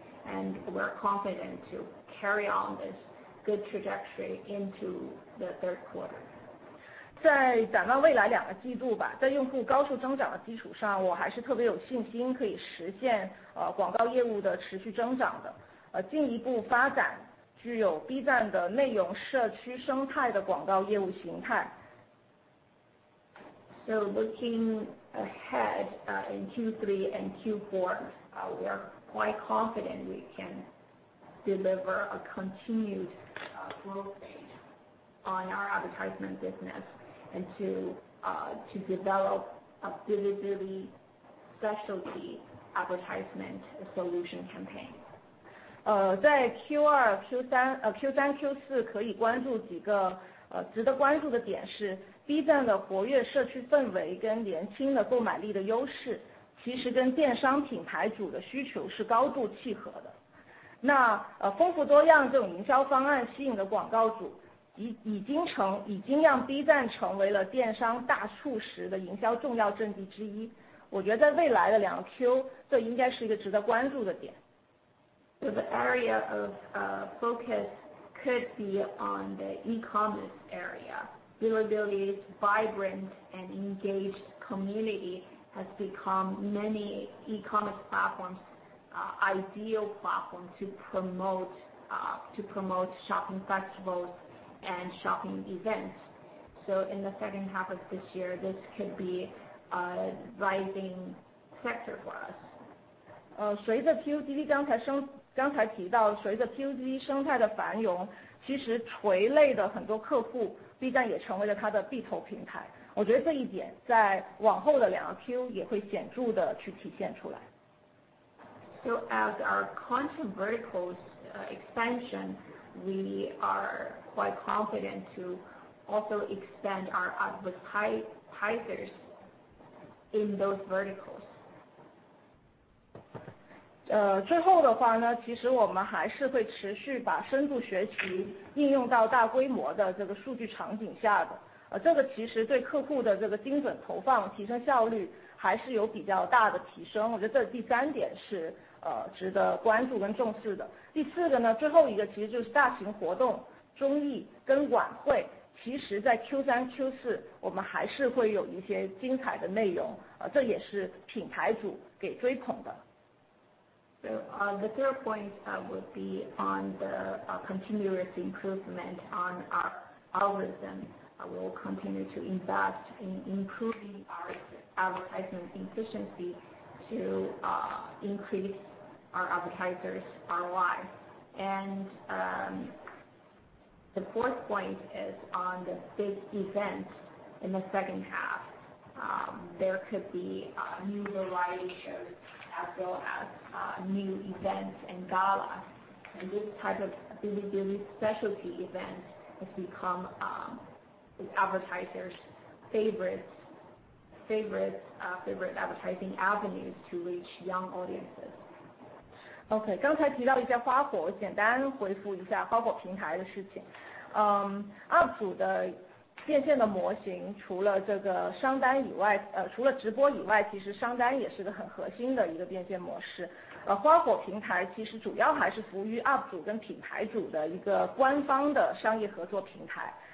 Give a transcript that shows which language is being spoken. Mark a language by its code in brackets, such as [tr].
[en] And we're confident to carry on this good trajectory into the third quarter. [zh] 在展望未来两个季度吧，在用户高速增长的基础上，我还是特别有信心可以实现广告业务的持续增长的，进一步发展具有 B 站的内容社区生态的广告业务形态。 [en] So looking ahead in Q3 and Q4, we are quite confident we can deliver a continued growth rate on our advertisement business. And to develop a Bilibili specialty advertisement solution campaign. [zh] 在 Q2、Q3、Q4 可以关注几个值得关注的点是 B 站的活跃社区氛围跟年轻的购买力的优势，其实跟电商品牌主的需求是高度契合的。那丰富多样这种营销方案吸引的广告主。已经让 B 站成为了电商大促时的营销重要阵地之一。我觉得在未来的两 Q, 这应该是一个值得关注的点。 [en] So the area of focus could be on the e-commerce area. Bilibili's vibrant and engaged community has become many e-commerce platforms ideal platform to promote shopping festivals. And shopping events. So in the second half of this year, this could be a rising sector for us. [zh] 随着 PUGV 刚才提到，随着 PUGV 生态的繁荣，其实垂类的很多客户 ，B 站也成为了它的必投平台。我觉得这一点在往后的两个 Q 也会显著的去体现出来。 [en] So as our content verticals expansion, we are quite confident to also expand our advertisers in those verticals. [zh] 最后的话呢，其实我们还是会持续把深度学习应用到大规模的这个数据场景下的。这个其实对客户的这个精准投放提升效率还是有比较大的提升，我觉得这第三点是值得关注跟重视的。第四个呢，最后一个其实就是大型活动、综艺跟晚会，其实在 Q3 Q4 我们还是会有一些精彩的内容，这也是品牌组给追捧的。 [en] The third point would be on the continuous improvement on our algorithm. We'll continue to invest in improving our advertisement efficiency to increase our advertisers' ROI. And the fourth point is on the big event in the second half. There could be new variety shows as well as new events and galas. And this type of Bilibili specialty event has become advertisers' favorite advertising avenues to reach young audiences. [zh] OK, 刚才提到一些花火，我简单回复一下花火平台的事情。 UP 组的变现的模型除了这个商单以外，除了直播以外，其实商单也是个很核心的一个变现模式。花火平台其实主要还是服务于 UP 组跟品牌组的一个官方的商业合作平台。